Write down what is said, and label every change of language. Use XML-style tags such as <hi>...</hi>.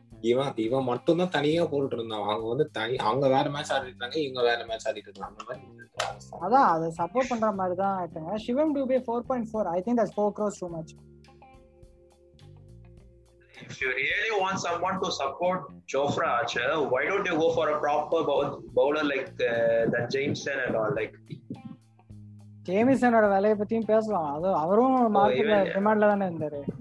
<ta>இவன் மட்டும் தான் தனியா போட்டு இருந்தான். அவங்க வந்து தனி அவங்க வேற மேட்ச் ஆடிட்டாங்க, இவங்க வேற மேட்ச் ஆடிட்டு இருந்தாங்க. அந்த மாதிரி அதான் அதை சப்போர்ட் பண்ற மாதிரி தான் ஆயிட்டாங்க.</ta> <en>Sivam Dube 4.4, I think that's 4 cross too much. If you really want someone to support Jofra Archer, why don't you go for a proper bowler like that Jameson and all? Like</en> <ta>ஜேமிசனோட வேலைய பத்தியும் பேசலாம். அது அவரும் மார்க்கெட்ல டிமாண்ட்ல தானே இருந்தாரு.</ta>